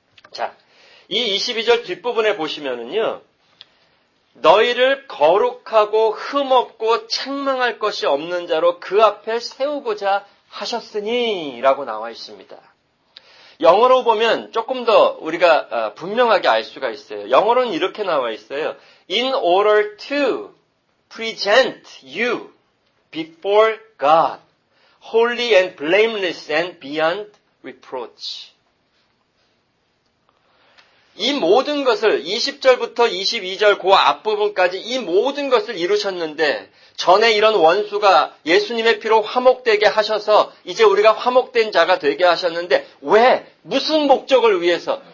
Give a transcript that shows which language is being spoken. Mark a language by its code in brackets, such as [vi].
[ko] 자, 이 22절 뒷부분에 보시면은요, 너희를 거룩하고 흠없고 책망할 것이 없는 자로 그 앞에 세우고자 하셨으니 라고 나와 있습니다. 영어로 보면 조금 더 우리가 분명하게 알 수가 있어요. 영어로는 이렇게 나와 있어요. [en] In order to present you before God, holy and blameless and beyond reproach. [ko] 이 모든 것을 20절부터 22절 그 앞부분까지 이 모든 것을 이루셨는데 전에 이런 원수가 예수님의 피로 화목되게 하셔서 이제 우리가 화목된 자가 되게 하셨는데 왜? 무슨 목적을 위해서?